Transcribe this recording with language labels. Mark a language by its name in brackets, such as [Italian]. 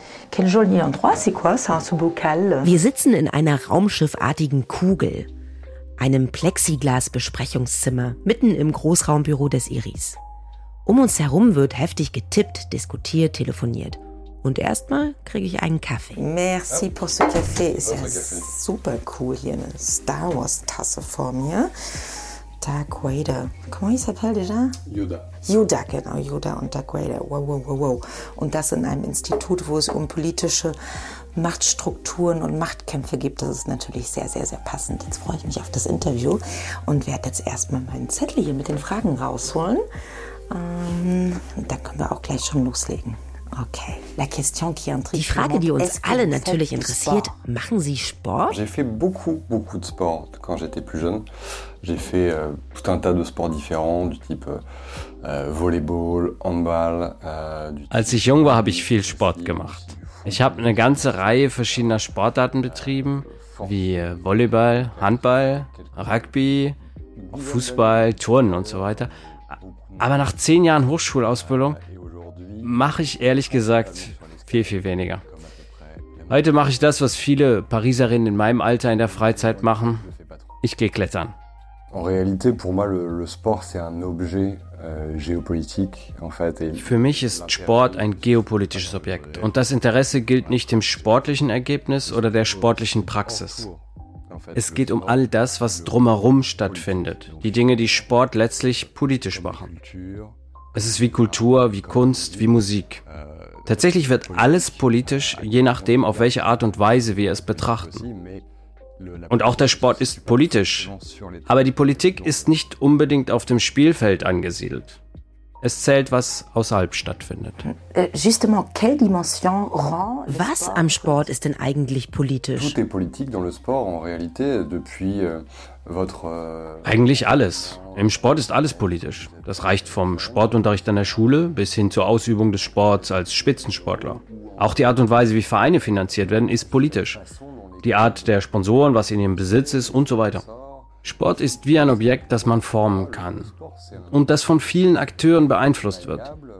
[French] Quel joli endroit, c'est quoi ça, ce bocal? [German] Wir sitzen in einer raumschiffartigen Kugel, einem Plexiglas-Besprechungszimmer mitten im Großraumbüro des Iris. Um uns herum wird heftig getippt, diskutiert, telefoniert. Und erstmal kriege ich einen Kaffee. [French] Merci pour ce café. [German] Ist ja super cool hier. Eine Star Wars-Tasse vor mir. Dark Vader. [French] Comment il s'appelle déjà? Yoda. [German] Yoda, genau. Yoda und Dark Vader. Wow. Und das in einem Institut, wo es um politische Machtstrukturen und Machtkämpfe gibt. Das ist natürlich sehr, sehr, sehr passend. Jetzt freue ich mich auf das Interview und werde jetzt erstmal meinen Zettel hier mit den Fragen rausholen. Da können wir auch gleich schon loslegen. [French] Okay. La question qui intrigue. [German] Die Frage, die uns alle natürlich interessiert, machen Sie Sport? [French] J'ai fait beaucoup de sport quand j'étais plus jeune. J'ai fait tout un tas de sports différents, du type Volleyball, Handball. [German] Als ich jung war, habe ich viel Sport gemacht. Ich habe eine ganze Reihe verschiedener Sportarten betrieben, wie Volleyball, Handball, Rugby, Fußball, Turnen und so weiter. Aber nach 10 Jahren Hochschulausbildung mache ich ehrlich gesagt viel, viel weniger. Heute mache ich das, was viele Pariserinnen in meinem Alter in der Freizeit machen. Ich gehe klettern. [French] En réalité, pour moi, le sport, c'est un objet géopolitique, en fait. [German] Für mich ist Sport ein geopolitisches Objekt. Und das Interesse gilt nicht dem sportlichen Ergebnis oder der sportlichen Praxis. Es geht um all das, was drumherum stattfindet. Die Dinge, die Sport letztlich politisch machen. Es ist wie Kultur, wie Kunst, wie Musik. Tatsächlich wird alles politisch, je nachdem, auf welche Art und Weise wir es betrachten. Und auch der Sport ist politisch. Aber die Politik ist nicht unbedingt auf dem Spielfeld angesiedelt. Es zählt, was außerhalb stattfindet. [French] Justement, quelle dimension rend... [German] Was am Sport ist denn eigentlich politisch? [French] Tout est politique dans le sport, en réalité, depuis votre... [German] Eigentlich alles. Im Sport ist alles politisch. Das reicht vom Sportunterricht an der Schule bis hin zur Ausübung des Sports als Spitzensportler. Auch die Art und Weise, wie Vereine finanziert werden, ist politisch. Die Art der Sponsoren, was in ihrem Besitz ist und so weiter. Sport ist wie ein Objekt, das man formen kann und das von vielen Akteuren beeinflusst wird.